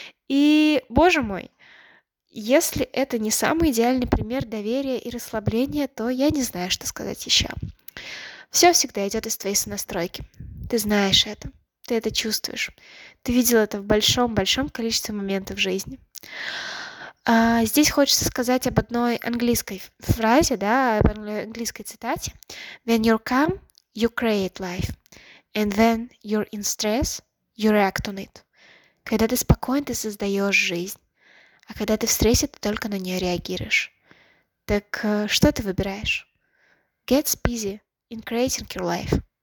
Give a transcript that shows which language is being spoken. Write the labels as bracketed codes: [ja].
[ru] И, боже мой, если это не самый идеальный пример доверия и расслабления, то я не знаю, что сказать еще. Все всегда идет из твоей сонастройки. Ты знаешь это. Ты это чувствуешь. Ты видел это в большом-большом количестве моментов жизни. Здесь хочется сказать об одной английской фразе, да, об английской цитате. [en] When you come, you create life. And when you're in stress, you react on it. [ru] Когда ты спокоен, ты создаешь жизнь. А когда ты в стрессе, ты только на нее реагируешь. Так что ты выбираешь? [en] Get busy in creating your life.